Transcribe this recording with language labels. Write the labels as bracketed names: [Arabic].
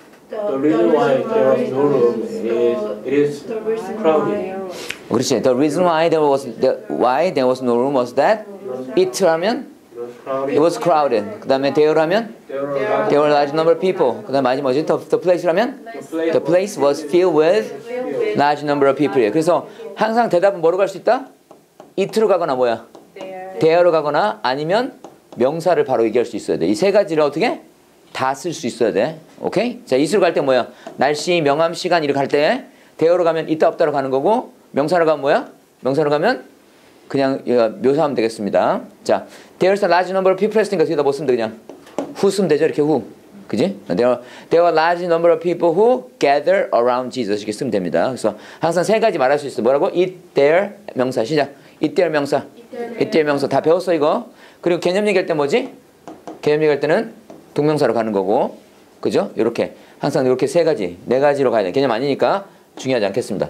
[English] The reason why there was no room is crowded. [Korean] 그렇지. [English] The reason why there was no room was that it [Korean] 라면 [English] it was crowded. [Korean] 그다음에 [English] there [Korean] 라면 [English] there were large number of people. [Korean] 그다음 마지막이 [English] the place 라면 the place was filled with large number of people. [Korean] 그래서 항상 대답은 뭐로 갈 수 있다? It로 가거나 뭐야? there로 가거나 아니면 명사를 바로 얘기할 수 있어야 돼. 이 세 가지를 어떻게? 다 쓸 수 있어야 돼. 오케이? 자, it로 갈 때 뭐야? 날씨, 명암, 시간 이렇게 갈 때 there로 가면 있다 없다로 가는 거고 명사로 가면 뭐야? 명사로 가면 그냥 묘사하면 되겠습니다. 자, [English] there's a large number of people [Korean] 했으니까 여기다 뭐 쓰면 돼? 그냥 who 쓰면 되죠? 이렇게 who. 그지? [English] There were large number of people who gathered around Jesus. [Korean] 이렇게 쓰면 됩니다. 그래서 항상 세 가지 말할 수 있어. 뭐라고? it, there, 명사. 시작. it, there, 명사. it, there, 명사. 다 배웠어, 이거. 그리고 개념 얘기할 때 뭐지? 개념 얘기할 때는 동명사로 가는 거고. 그죠? 이렇게 항상 이렇게 세 가지, 네 가지로 가야 돼. 개념 아니니까 중요하지 않겠습니다.